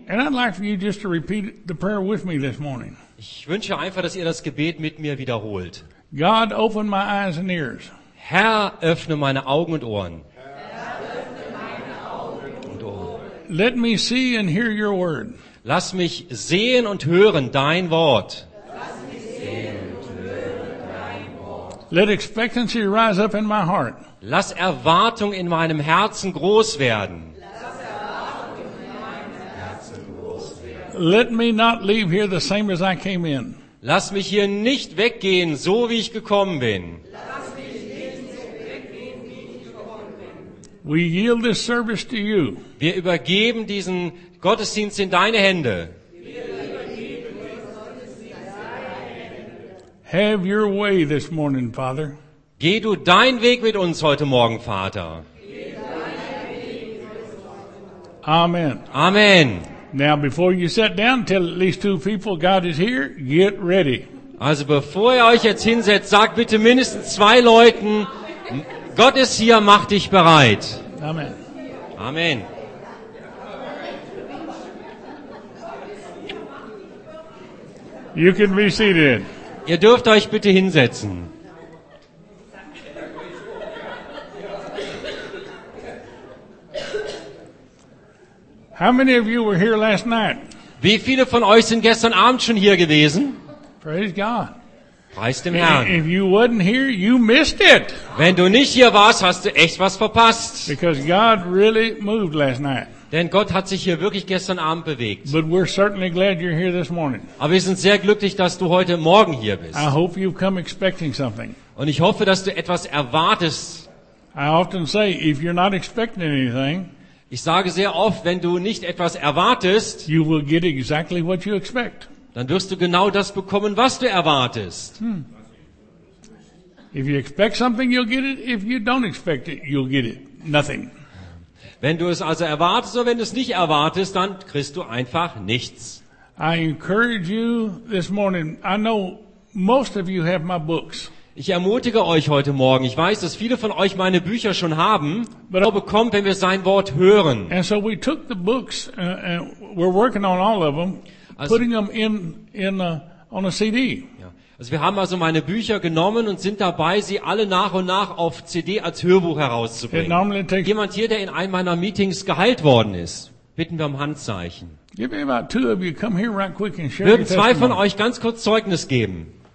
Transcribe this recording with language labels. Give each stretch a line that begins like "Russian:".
English: And I'd like for you just to repeat the prayer with me this morning.
German: Ich wünsche einfach, dass ihr das Gebet mit mir wiederholt.
English: God, open my eyes and ears.
German: Herr, öffne meine Augen und Ohren.
English: Let me see and hear your word.
German: Lass mich sehen und hören dein Wort.
English: Let expectancy rise up in my heart.
German: Lass Erwartung in meinem Herzen groß werden.
English: Let me not leave here the same as I came in.
German: Lass mich hier nicht weggehen, so wie ich gekommen bin.
English: We yield this service to you.
German: Wir übergeben diesen Gottesdienst in deine Hände.
English: Have your way this morning, Father.
German: Geh du dein Weg mit uns heute Morgen, Vater.
English: Amen.
German: Amen.
English: Now before you sit down, tell at least two people God is here. Get ready.
German: Also bevor ihr euch jetzt hinsetzt, sagt bitte mindestens zwei Leuten, Gott ist hier, mach dich bereit.
English: Amen.
German: Amen.
English: You can be seated.
German: Ihr dürft euch bitte hinsetzen.
English: How many of you were here last night?
German: Wie viele von euch sind gestern Abend schon hier gewesen?
English: Praise God.
German: Preist dem Herrn.
English: If you wasn't here, you missed it.
German: Wenn du nicht hier warst, hast du echt was verpasst.
English: Because God really moved last night.
German: Denn Gott hat sich hier wirklich gestern Abend bewegt.
English: But we're certainly glad you're here this morning.
German: Aber wir sind sehr glücklich, dass du heute Morgen hier bist.
English: I hope you've come expecting something.
German: Und ich hoffe, dass du etwas erwartest.
English: I often say, if you're not expecting anything,
German: ich sage sehr oft, wenn du nicht etwas erwartest,
English: you will get exactly what you expect.
German: Dann wirst du genau das bekommen, was du erwartest.
English: If you expect something, you'll get it. If you don't expect it, you'll get it. Nothing.
German: Wenn du es also erwartest oder wenn du es nicht erwartest, dann kriegst du einfach nichts.
English: I encourage you this morning. I know most of you have my books.
German: Ich ermutige euch heute Morgen. Ich weiß, dass viele von euch meine Bücher schon haben. Aber er bekommt, wenn wir sein Wort hören.
English: And so we took the books, and we're working on all of them, also, putting them on a CD.
German: Ja. Also wir haben also meine Bücher genommen und sind dabei, sie alle nach und nach auf CD als Hörbuch herauszubringen. Jemand hier, der in einem meiner Meetings geheilt worden ist, bitten wir um Handzeichen. Würden zwei von euch ganz kurz Zeugnis geben?